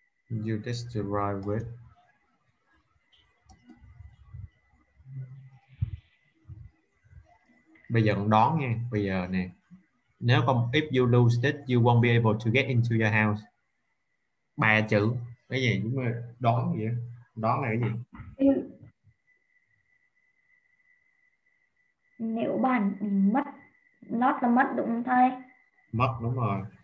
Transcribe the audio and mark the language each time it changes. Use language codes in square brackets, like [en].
[en] You just to ride with. [vi] Bây giờ con đoán nha, bây giờ nè. Nếu con [en] if you lose this you won't be able to get into your house. [vi] Ba chữ. Cái gì chúng mày đoán gì vậy? Đoán là cái gì? Nếu bạn mất, lost là mất đúng không thầy? Mất đúng rồi.